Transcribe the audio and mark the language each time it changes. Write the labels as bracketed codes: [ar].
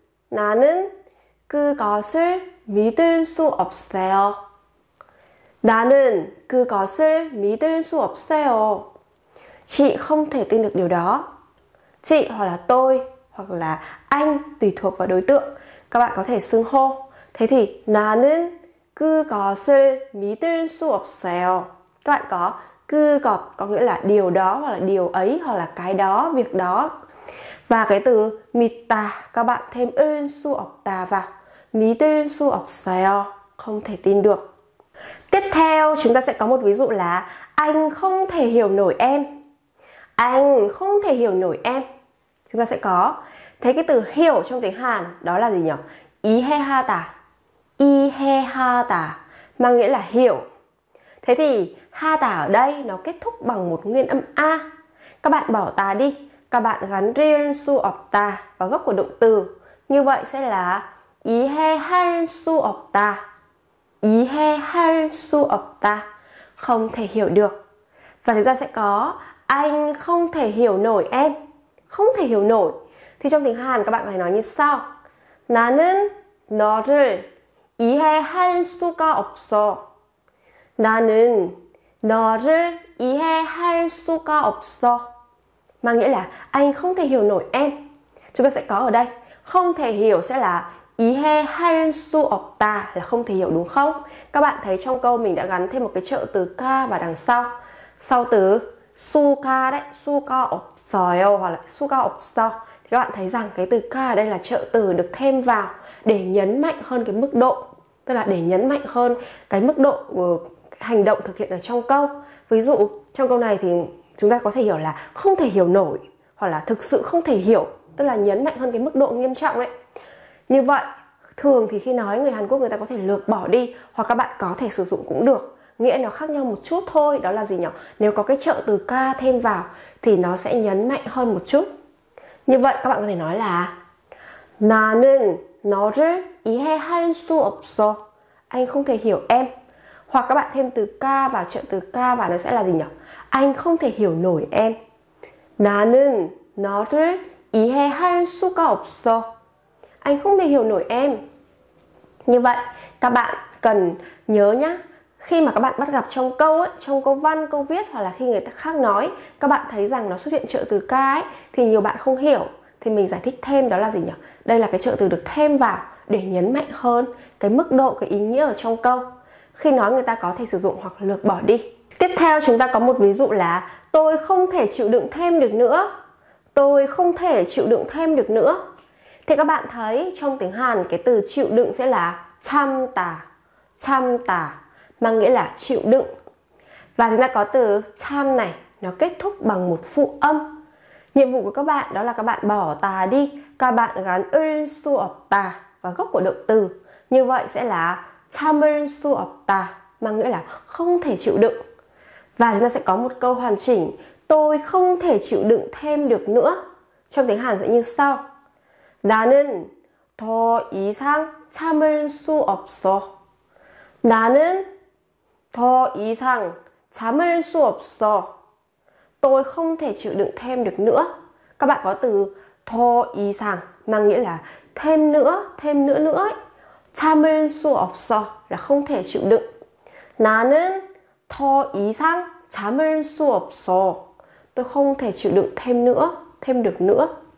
[ko] 나는 그것을 믿을 수 없어요. 나는 그것을 믿을 수 없어요. [vi] Chị không thể tin được điều đó. Chị hoặc là tôi hoặc là anh tùy thuộc vào đối tượng. Các bạn có thể xưng hô. Thế thì [ko] 나는 그것을 믿을 수 없어요. [vi] Các bạn có 그것 có nghĩa là điều đó hoặc là điều ấy hoặc là cái đó, việc đó. Và cái từ 믿다 các bạn thêm [ko] 을 수 없다 [vi] vào. [ko] 믿을 수 없어요. [vi] Không thể tin được. Tiếp theo chúng ta sẽ có một ví dụ là anh không thể hiểu nổi em. Anh không thể hiểu nổi em. Chúng ta sẽ có. Thế cái từ hiểu trong tiếng Hàn đó là gì nhỉ? [ko] 이해하다. [vi] 이해하다 mang nghĩa là hiểu. Thế thì 하다 ở đây nó kết thúc bằng một nguyên âm a. Các bạn bỏ tà đi, các bạn gắn riêng [ko] su ọc tà [vi] vào gốc của động từ. Như vậy sẽ là [ko] 이해할 수 없다. 이해할 수 없다. [vi] Không thể hiểu được. Và chúng ta sẽ có anh không thể hiểu nổi em. Không thể hiểu nổi. Thì trong tiếng Hàn các bạn phải nói như sau. [ko] 나는 너를 이해할 수가 없어. 나는 너를 이해할 수가 없어. [vi] Mà nghĩa là anh không thể hiểu nổi em. Chúng ta sẽ có ở đây. Không thể hiểu sẽ là [ko] 이해할 수 없다 [vi] là không thể hiểu đúng không? Các bạn thấy trong câu mình đã gắn thêm một cái trợ từ ca vào đằng sau. Sau từ 수가 đấy, [ko] 수가 없어요 [vi] hoặc là [ko] 수가 없어. [vi] Thì các bạn thấy rằng cái từ ca ở đây là trợ từ được thêm vào để nhấn mạnh hơn cái mức độ. Tức là để nhấn mạnh hơn cái mức độ của hành động thực hiện ở trong câu. Ví dụ trong câu này thì chúng ta có thể hiểu là không thể hiểu nổi hoặc là thực sự không thể hiểu. Tức là nhấn mạnh hơn cái mức độ nghiêm trọng đấy. Như vậy, thường thì khi nói người Hàn Quốc người ta có thể lược bỏ đi hoặc các bạn có thể sử dụng cũng được. Nghĩa nó khác nhau một chút thôi, đó là gì nhỉ? Nếu có cái trợ từ ca thêm vào thì nó sẽ nhấn mạnh hơn một chút. Như vậy, các bạn có thể nói là [ko] 나는 너를 이해할 수 없어. [vi] Anh không thể hiểu em. Hoặc các bạn thêm từ ca vào, trợ từ ca vào nó sẽ là gì nhỉ? Anh không thể hiểu nổi em. [ko] 나는 너를 이해할 수가 없어. [vi] Anh không thể hiểu nổi em. Như vậy, các bạn cần nhớ nhá. Khi mà các bạn bắt gặp trong câu ấy, trong câu văn, câu viết hoặc là khi người ta khác nói, các bạn thấy rằng nó xuất hiện trợ từ ca ấy, thì nhiều bạn không hiểu. Thì mình giải thích thêm đó là gì nhỉ? Đây là cái trợ từ được thêm vào để nhấn mạnh hơn cái mức độ, cái ý nghĩa ở trong câu. Khi nói người ta có thể sử dụng hoặc lược bỏ đi. Tiếp theo chúng ta có một ví dụ là tôi không thể chịu đựng thêm được nữa. Tôi không thể chịu đựng thêm được nữa. Thì các bạn thấy trong tiếng Hàn cái từ chịu đựng sẽ là [ko] chăm tả. Chăm tả [vi] mang nghĩa là chịu đựng. Và chúng ta có từ chăm này nó kết thúc bằng một phụ âm. Nhiệm vụ của các bạn đó là các bạn bỏ tà đi. Các bạn gắn [ko] ư su ọc tà [vi] vào gốc của động từ. Như vậy sẽ là [ko] chăm ư su ọc tà [vi] mang nghĩa là không thể chịu đựng. Và chúng ta sẽ có một câu hoàn chỉnh. Tôi không thể chịu đựng thêm được nữa. Trong tiếng Hàn sẽ như sau. [ko] 나는 더 이상 참을 수 없어. 나는 더 이상 참을 수 없어. [vi] Tôi không thể chịu đựng thêm được nữa. Các bạn có từ [ko] 더 이상 [vi] mang nghĩa là thêm nữa nữa ấy. [ko] 참을 수 없어 [vi] là không thể chịu đựng. [ko] 나는 더 이상 참을 수 없어. [vi] Tôi không thể chịu đựng thêm nữa, thêm được nữa.